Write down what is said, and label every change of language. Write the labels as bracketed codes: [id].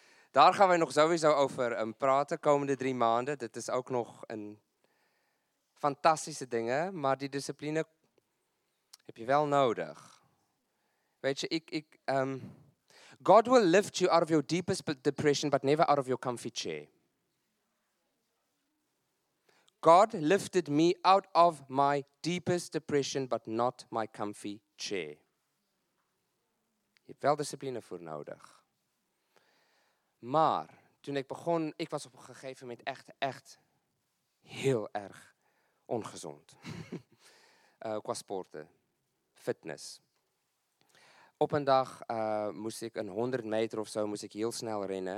[nl] Daar gaan we nog sowieso over praten, komende 3 maanden. Dit is ook nog een fantastische dingen, maar die discipline heb je wel nodig. Weet je, [en] God will lift you out of your deepest depression, but never out of your comfy chair. God lifted me out of my deepest depression, but not my comfy chair. [nl] Je hebt wel discipline voor nodig. Maar toen ik begon, ik was op een gegeven moment echt, echt heel erg ongezond. qua sporten, fitness. Op een dag moest ik een 100 meter of zo, moest ik heel snel rennen.